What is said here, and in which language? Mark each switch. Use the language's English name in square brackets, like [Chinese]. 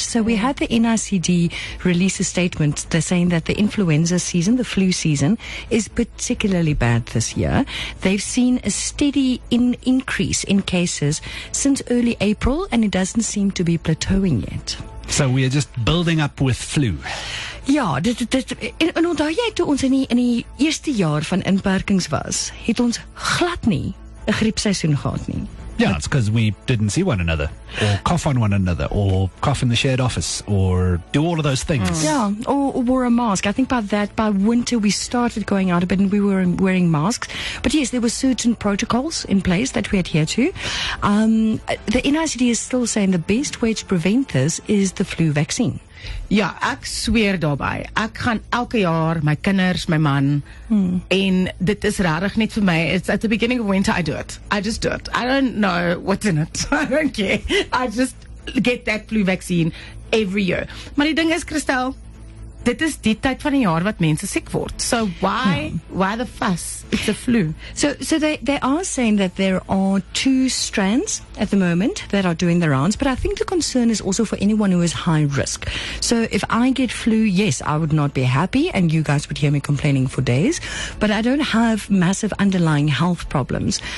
[English] So we had the NICD release a statement. They're saying that the influenza season, the flu season, is particularly bad this year. They've seen a steady increase in cases since early April, and it doesn't seem to be plateauing yet. So we are just building up with flu. [Afrikaans] Ja, en onthou jy toe ons in die eerste jaar van inperkings was, het ons glad nie 'n griepseisoen gehad nie. [English] Yeah, it's because we didn't see one another, or cough on one another, or cough in the shared office, or do all of those things. Yeah, or wore a mask. I think by winter we started going out a bit and we were wearing masks. But yes, there were certain protocols in place that we adhere to. The NICD is still saying the best way to prevent this is the flu vaccine. [Afrikaans] Ja, ek sweer daarby. Ek gaan elke jaar, my kinders, my man, en dit is rarig net vir my. [English] It's at the beginning of winter, I do it. I just do it. I don't know what's in it. I don't care. I just get that flu vaccine every year. [Afrikaans] Maar die ding is, Christel, dit is die tyd van die jaar wat mense siek word. [English] So why the fuss? It's a flu. So they are saying that there are two strands at the moment that are doing the rounds, but I think the concern is also for anyone who is high risk. So if I get flu, yes, I would not be happy, and you guys would hear me complaining for days, but I don't have massive underlying health problems.